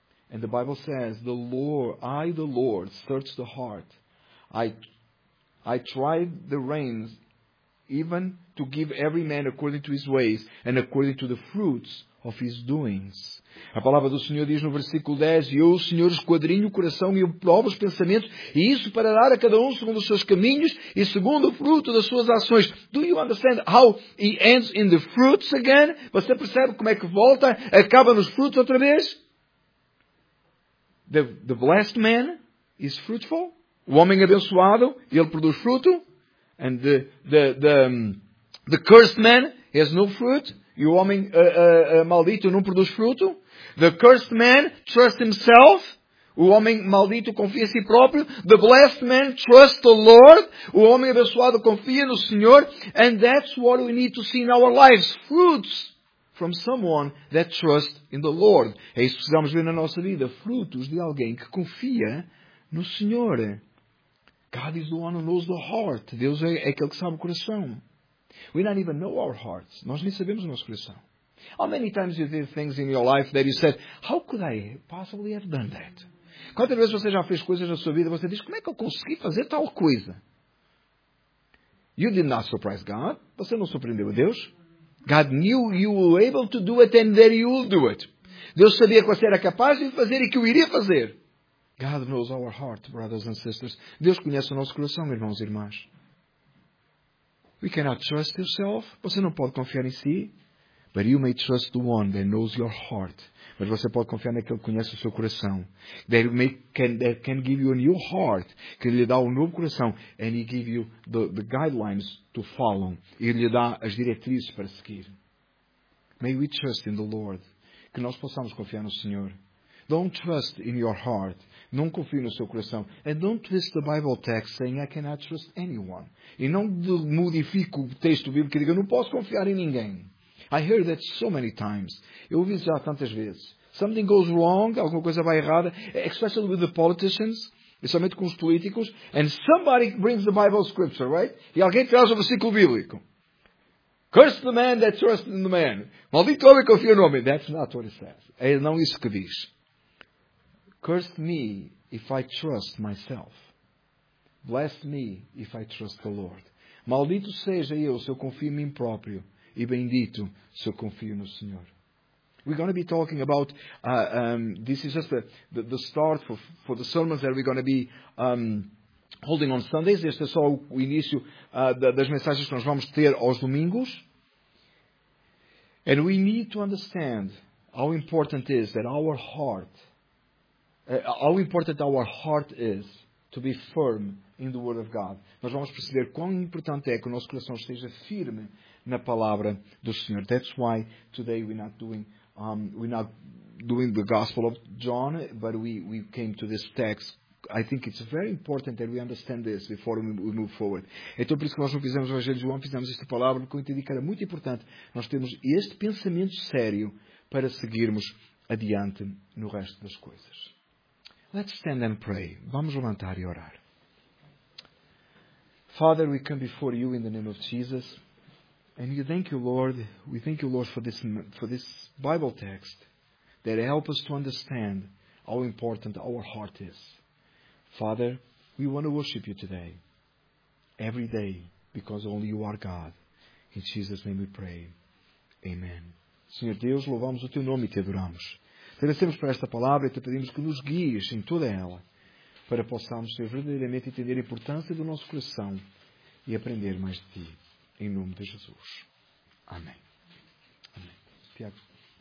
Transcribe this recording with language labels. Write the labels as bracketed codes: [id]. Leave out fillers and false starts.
[en] And the Bible says, the Lord, search the heart. I tried the reins, even to give every man according to his ways and according to the fruits of his doings. [pt] A palavra do Senhor diz no versículo 10, e eu, o Senhor, esquadrinho o coração e provo os pensamentos, e isso para dar a cada um segundo os seus caminhos e segundo o fruto das suas ações. [en] Do you understand how he ends in the fruits again? [pt] Você percebe como é que volta, acaba nos frutos outra vez? [en] The blessed man is fruitful. [pt] O homem abençoado, ele produz fruto. [en] And the cursed man has no fruit. [pt] E o homem maldito não produz fruto. [en] The cursed man trusts himself. [pt] O homem maldito confia em si próprio. [en] The blessed man trusts the Lord. [pt] O homem abençoado confia no Senhor. [en] And that's what we need to see in our lives. Fruits from someone that trusts in the Lord. [pt] É isso que precisamos ver na nossa vida. Frutos de alguém que confia no Senhor. [en] God is the one who knows the heart. [pt] Deus é aquele que sabe o coração. [en] We don't even know our hearts. [pt] Nós nem sabemos o nosso coração. [en] How many times you did things in your life that you said, how could I possibly have done that? [pt] Quantas vezes você já fez coisas na sua vida e você diz, como é que eu consegui fazer tal coisa? [en] You did not surprise God. [pt] Você não surpreendeu a Deus. [en] God knew you were able to do it and that you will do it. [pt] Deus sabia que você era capaz de fazer e que o iria fazer. [en] God knows our heart, brothers and sisters. [pt] Deus conhece o nosso coração, irmãos e irmãs. [en] We cannot trust yourself. [pt] Você não pode confiar em si. [en] But you may trust the one that knows your heart. [pt] Mas você pode confiar naquele que conhece o seu coração. [en] That can give you a new heart. [pt] Que lhe dá um novo coração. [en] And he give you the guidelines to follow. [pt] E lhe dá as diretrizes para seguir. [en] May we trust in the Lord. [pt] Que nós possamos confiar no Senhor. [en] Don't trust in your heart. [pt] Não confie no seu coração. [en] And don't twist the Bible text saying I cannot trust anyone. [pt] E não modifique o texto bíblico que diga não posso confiar em ninguém. [en] I heard that so many times. [pt] Eu ouvi isso já tantas vezes. [en] Something goes wrong, [pt] alguma coisa vai errada, [en] especially with the politicians, [pt] especialmente com os políticos, [en] and somebody brings the Bible scripture, right? [pt] E alguém traz o versículo bíblico. [en] Curse the man that trusts in the man. [pt] Maldito homem confia no homem. [en] That's not what it says. [pt] É não isso que diz. [en] Curse me if I trust myself. Bless me if I trust the Lord. [pt] Maldito seja eu se eu confio em mim próprio. E bendito se eu confio no Senhor. [en] We're going to be talking about... this is just the start for the sermons that we're going to be holding on Sundays. [pt] Este é só o início das mensagens que nós vamos ter aos domingos. [en] And we need to understand how important is that our heart... how important our heart is to be firm in the Word of God. [pt] Nós vamos perceber quão importante é que o nosso coração esteja firme na palavra do Senhor. [en] That's why today we're not doing the Gospel of John, but we came to this text. I think it's very important that we understand this before we move forward. [pt] Então, por isso que nós não fizemos o Evangelho de João, fizemos esta palavra, porque eu entendi que era muito importante nós termos este pensamento sério para seguirmos adiante no resto das coisas. [en] Let's stand and pray. [pt] Vamos levantar e orar. [en] Father, we come before you in the name of Jesus. And we thank you, Lord. We thank you, Lord, for this Bible text that helps us to understand how important our heart is. Father, we want to worship you today, every day, because only you are God. In Jesus' name we pray. Amen. [pt] Senhor Deus, louvamos o teu nome e te adoramos. Agradecemos por esta palavra e te pedimos que nos guies em toda ela. para possamos verdadeiramente entender a importância do nosso coração e aprender mais de Ti. Em nome de Jesus. Amém. Amém. Tiago.